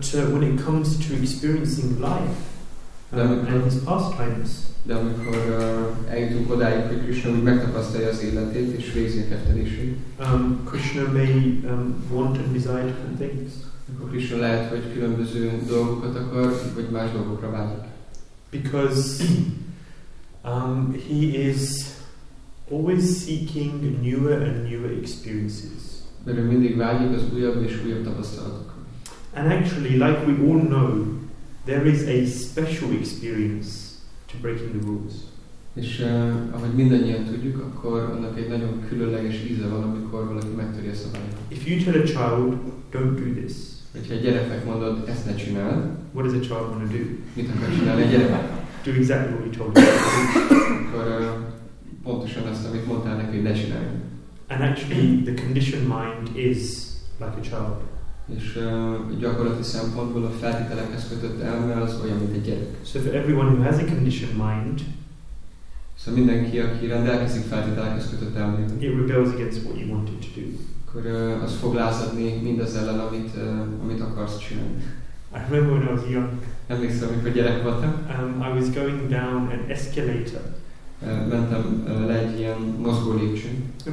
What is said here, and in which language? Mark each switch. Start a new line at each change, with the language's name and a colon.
English: When it comes to experiencing life and his pastimes.
Hungarian: De amikor eljutunk odáig, hogy Krishna úgy megtapasztalja az életét és végzi a kettelését.
English: Krishna may want and desire different things.
Hungarian: Akkor Krishna lehet, hogy különböző dolgokat akar, vagy más dolgokra vágyik.
English: Because he is always seeking newer and newer experiences.
Hungarian: mert ő mindig vágyik az újabb és újabb tapasztalatokra.
English: And actually, like we all know, there is a special experience to breaking the rules.
Hungarian: És ahogy mindannyian tudjuk, akkor annak egy nagyon különleges íze van, amikor valaki megtöri a szabályt.
English: If you tell a child, don't do this.
Hungarian: Hogyha a gyereknek mondod, ezt ne csináld.
English: What does a child want to do?
Hungarian: Mit akar csinálni a gyerek?
English: Do exactly what you told him.
Hungarian: Akkor pontosan azt, amit mondtál neki, hogy ne csinálj.
English: And actually, the conditioned mind is like a child.
Hungarian: És gyakorlati szempontból a feltételekhez kötött elme az olyan, mint egy gyerek.
English: So for everyone who has a conditioned mind, so
Hungarian: mindenki, aki rendelkezik feltételekhez kötött elmével,
English: it rebels against what you wanted to do.
Hungarian: Akkor az fog lázadni mindaz ellen, amit akarsz csinálni.
English: I remember when I was young.
Hungarian: Emlékszem, amikor gyerek voltam.
English: I was going down an escalator.
Hungarian: Mentem le egy ilyen mozgó lépcsőn.